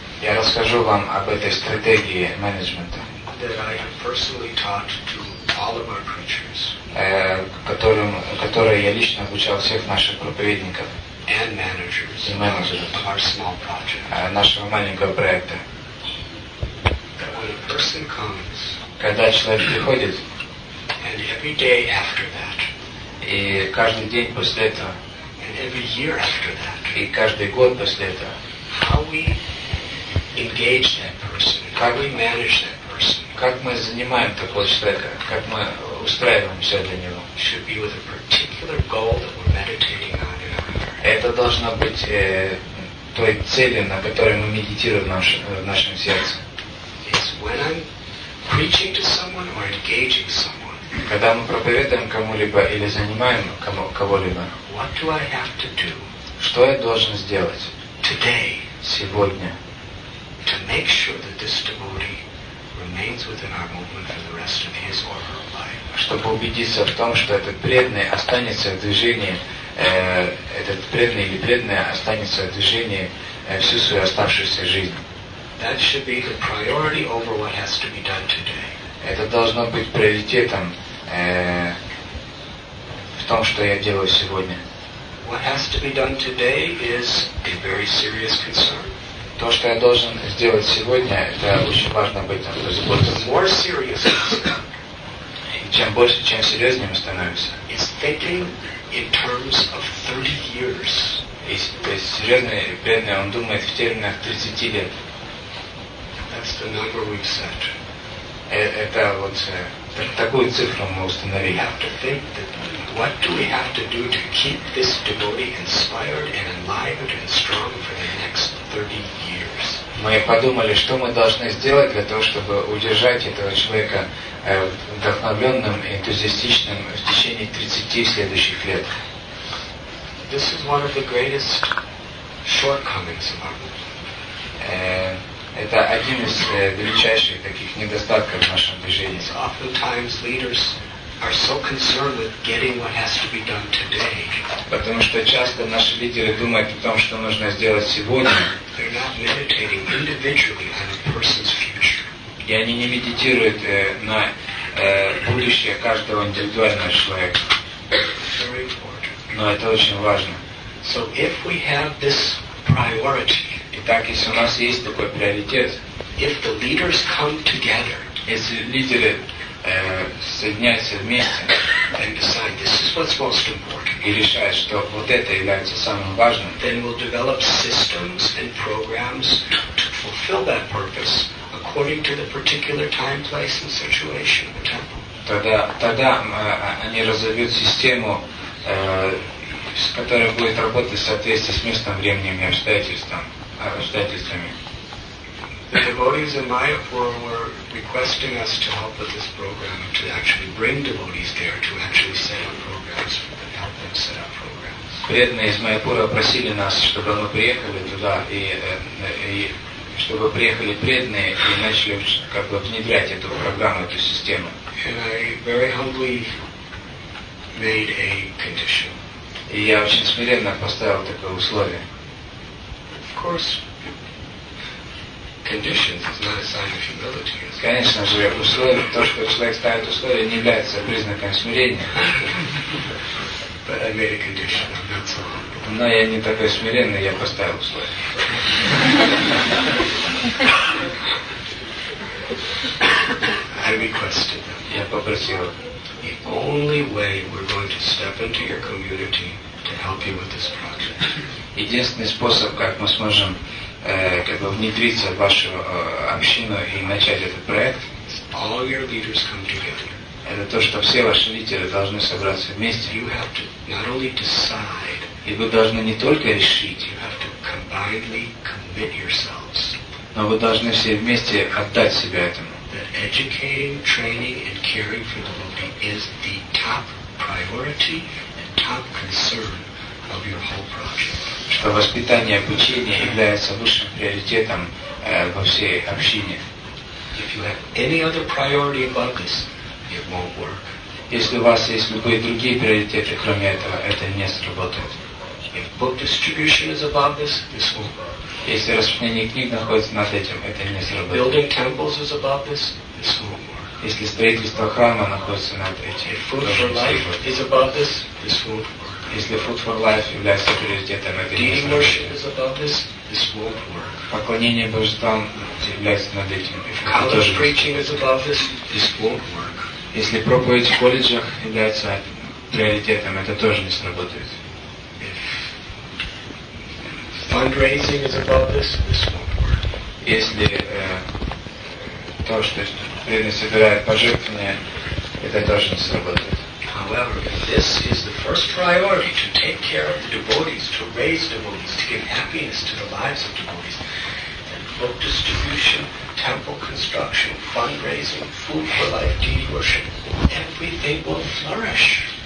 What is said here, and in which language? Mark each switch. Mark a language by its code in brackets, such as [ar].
[ru] Я расскажу вам об этой стратегии менеджмента, [en] that I have personally taught to all of our preachers, [ru] которой я лично обучал всех наших проповедников [en] and managers [ru] и менеджеров [en] of our small project. [ru] Нашего маленького проекта. [en] When a person comes, [ru] когда человек приходит, [en] and every day after that, [ru] и каждый день после этого, [en] and every year after that, [ru] и каждый год после этого, [en] how we engage that person, [ru] как [en] we manage that person, [ru] как мы занимаем такого человека, как мы устраиваем все для него, [en] should be with a particular goal that we're meditating on in our heart. [ru] Это должно быть той целью, на которой мы медитируем в нашем сердце. [en] It's when I'm preaching to someone or engaging someone. [ru] Когда мы проповедуем кому-либо или занимаем кого-либо. [en] What do I have to do? [ru] Что я должен сделать? [en] Today. [ru] Сегодня. [en] To make sure that this devotee remains within our movement for the rest of his or her life. [ru] Чтобы убедиться в том, что этот преданный останется в движении, этот преданный или преданная останется в движении всю свою оставшуюся жизнь. [en] That should be the priority over what has to be done today. [ru] это должно быть приоритетом в том, что я делаю сегодня. [en] What has to be done today is a very serious concern. [ru] То, что я должен сделать сегодня, это очень важно об этом позаботиться. [en] More serious. [ru] И чем больше, чем серьезнее мы становимся. [en] Is thinking in terms of 30 years. [ru] И, то есть серьезный бедный, он думает в терминах 30 лет. [en] That's the number we've set. [ru] Это вот такую цифру мы установили. [en] We have to think that what do we have to do to keep this devotee inspired and enlivened and strong for the next 30 years. [ru] Мы подумали, что мы должны сделать для того, чтобы удержать этого человека вдохновленным, энтузиастичным в течение 30 следующих лет. [en] This is one of the greatest shortcomings of our movement. [ru] Это один из величайших таких недостатков в нашем движении. [en] So oftentimes leaders are so concerned with getting what has to be done today. [ru] Потому что часто наши лидеры думают о том, что нужно сделать сегодня. [en] They're not meditating individually on a person's future. [ru] И они не медитируют на будущее каждого индивидуального человека. [en] Very important. [ru] Но это очень важно. [en] So if we have this priority, [ru] итак, если у нас есть такой приоритет, [en] if the leaders come together, [ru] если лидеры соединяются вместе, [en] and decide this is what's most important, [ru] и решают, что вот это является самым важным, [en] then we'll develop systems and programs to fulfill that purpose according to the particular time, place, and situation of the temple. [ru] Тогда они разовьют систему, с которой будет работать в соответствии с местом, временем и обстоятельствами. [en] The devotees in Mayapur were requesting us to help with this program, to actually bring devotees there, to actually set up programs, help them set up programs. [ru] Преданные из Майяпура просили нас, чтобы мы приехали туда и чтобы приехали преданные и начали как бы внедрять эту программу, эту систему. [en] And I very humbly made a condition. [ru] И я очень смиренно поставил такое условие. [en] Of course, conditions is not a sign of humility. [ru] Конечно же, условие, то, что человек ставит условия, не является признаком смирения. [en] But I made a condition, I'm not so humble. [ru] Но я не такой смиренный, я поставил условие. [en] I requested them. [ru] Я попросил. [en] The only way we're going to step into your community to help you with this project. [ru] Единственный способ, как мы сможем как бы внедриться в вашу общину и начать этот проект, [en] is all your leaders come together. [ru] Это то, что все ваши лидеры должны собраться вместе. [en] You have to not only decide. [ru] И вы должны не только решить. [en] You have to combinedly commit yourselves. [ru] Но вы должны все вместе отдать себя этому. [en] That educating, training, and caring for the devotee is the top priority and top concern of your whole project. [ru] Что воспитание, обучение является высшим приоритетом во всей общине. [en] If you have any other priority above this, it won't work. [ru] Если у вас есть любые другие приоритеты, кроме этого, это не сработает. [en] If book distribution is above this, this won't work. [ru] Если распространение книг находится над этим, это не сработает. [en] Building temples is above this, this won't work. [ru] Если строительство храма находится над этим, [en] if food for life is above this, this won't work. [ru] Если food for life является приоритетом, это не сработает. [en] Deity worship is above this, this won't work. [ru] Поклонение божествам является над этим. [en] If college preaching is above this, this won't work. [ru] Если проповедь в колледжах является приоритетом, это тоже не сработает. [en] Fundraising is above this. This won't work. [ru] Если то, что преданный собирает пожертвования, это тоже не сработает. [en] However, if this is the first priority to take care of the devotees, to raise devotees, to give happiness to the lives of devotees, then book distribution, temple construction, fundraising, food for life, deity worship, everything will flourish.